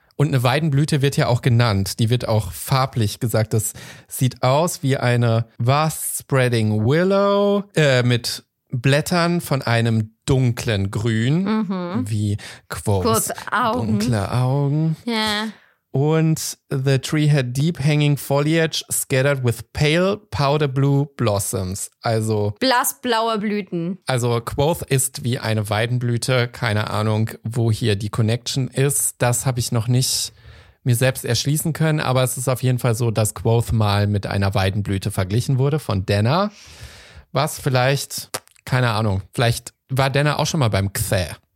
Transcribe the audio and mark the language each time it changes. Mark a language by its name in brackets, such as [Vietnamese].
[German] Und eine Weidenblüte wird ja auch genannt. Die wird auch farblich gesagt. Das sieht aus wie eine [English] vast-spreading willow [German] mit Blättern von einem dunklen Grün, wie Quoth's dunkle Augen. Ja. Und [English] the tree had deep hanging foliage scattered with pale powder blue blossoms. [German] Also blassblaue Blüten. Also Quoth ist wie eine Weidenblüte. Keine Ahnung, wo hier die Connection ist. Das habe ich noch nicht mir selbst erschließen können. Aber es ist auf jeden Fall so, dass Quoth mal mit einer Weidenblüte verglichen wurde von Denner. Was vielleicht, keine Ahnung, vielleicht war Denner auch schon mal beim Kthä.